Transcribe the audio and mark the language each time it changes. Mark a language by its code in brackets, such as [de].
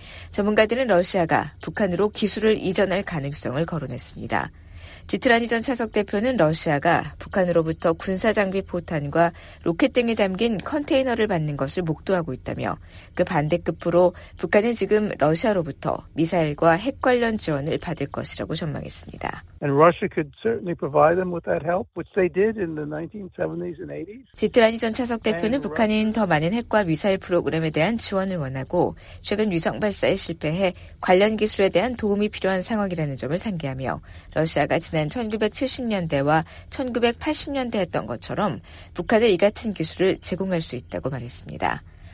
[ko] 전문가들은 러시아가 북한으로 기술을 이전할 가능성을 거론했습니다. 디트라니 전 차석 대표는 러시아가 북한으로부터 군사장비 포탄과 로켓 등이 담긴 컨테이너를 받는 것을 목도하고 있다며 그 반대급으로 북한은 지금 러시아로부터 미사일과 핵 관련 지원을 받을 것이라고 전망했습니다. [en] And Russia could certainly provide them with that help, which they did in the 1970s and 80s. [ko] 디트라니 전 차석 대표는 북한은 더 많은 핵과 미사일 프로그램에 대한 지원을 원하고 최근 위성 발사에 실패해 관련 기술에 대한 도움이 필요한 상황이라는 점을 상기하며 러시아가 지난 1970년대와 1980년대 했던 것처럼 북한에 이 같은 기술을 제공할 수 있다고 말했습니다.